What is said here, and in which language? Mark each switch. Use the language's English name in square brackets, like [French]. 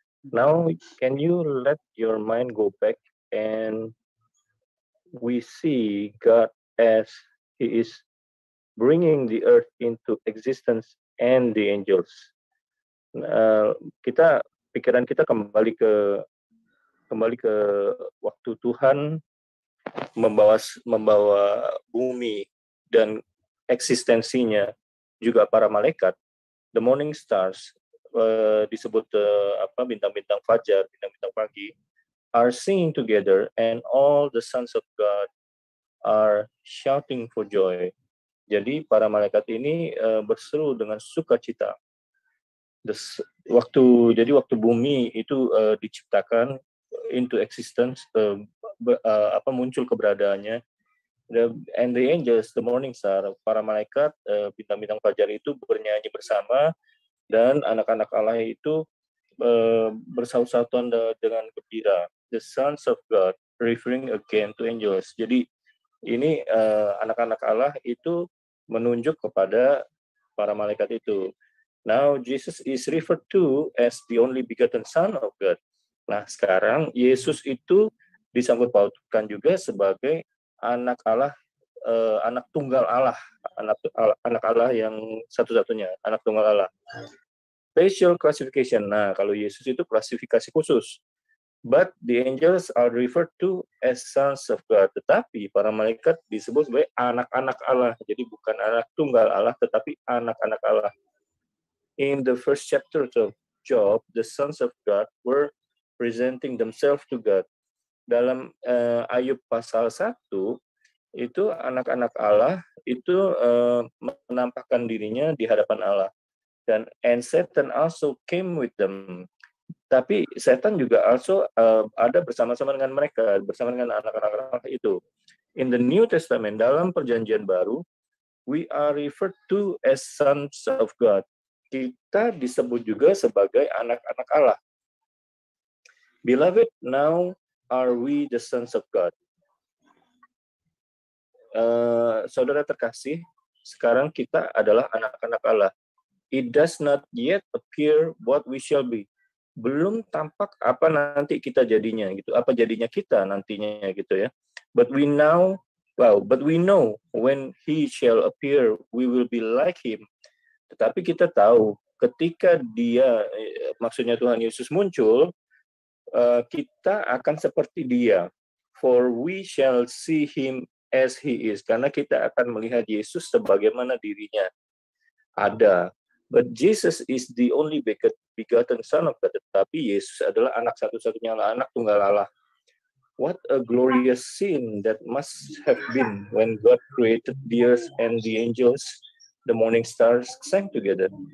[English] Now, can you let your mind go back and we see God as he is bringing the earth into existence and the angels. [Indonesian] Kita pikiran kita kembali ke waktu Tuhan membawa bumi dan eksistensinya juga para malaikat. [English] The morning stars [Indonesian] disebut bintang-bintang fajar, bintang-bintang pagi. [English] are singing together, and all the sons of God are shouting for joy. [Indonesian] Jadi para malaikat ini berseru dengan sukacita. Waktu bumi itu diciptakan [English] into existence, [Indonesian] muncul keberadaannya. [English] And the angels, the morning star, [Indonesian] para malaikat, bintang-bintang fajar itu bernyanyi bersama, dan anak-anak Allah itu bersaut-sautan dengan gembira. [English] The sons of God, referring again to angels. [Indonesian] Jadi ini anak-anak Allah itu menunjuk kepada para malaikat itu. [English] Now Jesus is referred to as the only begotten son of God. [Indonesian] Nah sekarang Yesus itu disangkutpautkan juga sebagai anak Allah, anak tunggal Allah, anak Allah yang satu-satunya, anak tunggal Allah. [English] Special classification. [Indonesian] Nah, kalau Yesus itu klasifikasi khusus. [English] But the angels are referred to as sons of God. [Indonesian] Tetapi para malaikat disebut sebagai anak-anak Allah. Jadi bukan anak tunggal Allah, tetapi anak-anak Allah. [English] In the first chapter of Job, the sons of God were presenting themselves to God. [Indonesian] Dalam Ayub pasal 1, itu anak-anak Allah itu menampakkan dirinya di hadapan Allah. Dan [English] and Satan also came with them. [Indonesian] Tapi setan juga [English] also [Indonesian] ada bersama-sama dengan mereka, bersama dengan anak-anak Allah itu. [English] In the New Testament, [Indonesian] dalam perjanjian baru, [English] we are referred to as sons of God. [Indonesian] Kita disebut juga sebagai anak-anak Allah. [English] Beloved, now are we the sons of God? [Indonesian] Saudara terkasih, sekarang kita adalah anak-anak Allah. [English] It does not yet appear what we shall be. [Indonesian] Belum tampak apa nanti kita jadinya gitu, apa jadinya kita nantinya gitu ya. [English] But we know when he shall appear, we will be like him. [Indonesian] Tetapi kita tahu ketika dia, maksudnya Tuhan Yesus muncul, kita akan seperti dia. [English] For we shall see him as he is. [Indonesian] Karena kita akan melihat Yesus sebagaimana dirinya ada. [English] But Jesus is the only begotten son of God. [Indonesian] Tetapi Yesus adalah anak satu-satunya Allah, anak tunggal Allah. [English] What a glorious scene that must have been when God created the earth and the angels, the morning stars sang together.